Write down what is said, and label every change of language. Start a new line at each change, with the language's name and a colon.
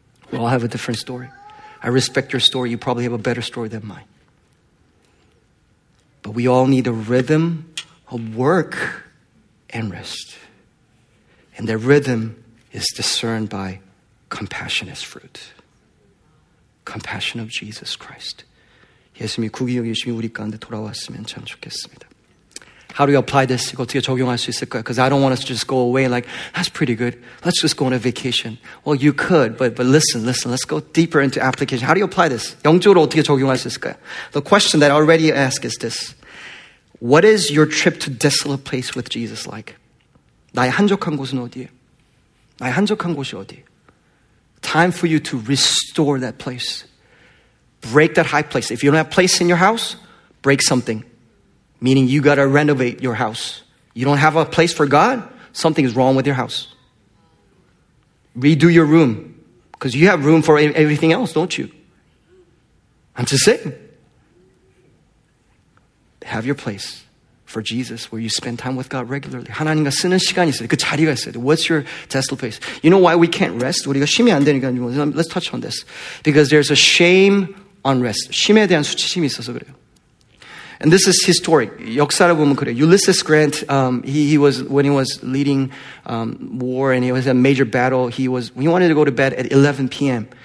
English: We all have a different story. I respect your story. You probably have a better story than mine. But we all need a rhythm of work and rest. And that rhythm is discerned by compassionate fruit. Compassion of Jesus Christ.
Korean: 예수님이 구기영 예수님이 우리 가운데 돌아왔으면 참 좋겠습니다.
English: How do we apply this?
Korean: 이거 어떻게 적용할 수 있을까요?
English: Because I don't want us to just go away like, that's pretty good. Let's just go on a vacation. Well, you could, but listen, let's go deeper into application. How do you apply this?
Korean: 영적으로 어떻게 적용할 수 있을까요?
English: The question that I already ask is this. What is your trip to desolate place with Jesus like?
Korean: 나의 한적한 곳은 어디에? 나의 한적한 곳이 어디에?
English: Time for you to restore that place. Break that high place. If you don't have place in your house, break something. Meaning you got to renovate your house. You don't have a place for God, something is wrong with your house. Redo your room. Because you have room for everything else, don't you? I'm just saying. Have your place for Jesus where you spend time with God regularly.
Korean: 하나님과 쓰는 시간이 있어요. 그 자리가 있어요.
English: What's your desolate place? You know why we can't rest?
Korean: 우리가 쉼이 안 되니까.
English: Let's touch on this. Because there's a shame on rest.
Korean: 쉼에 대한 수치심이 있어서 그래요.
English: And this is historic.
Korean: 역사를 보면 그래요.
English: Ulysses Grant, when he was leading war and he was in a major battle, he wanted to go to bed at 11 p.m.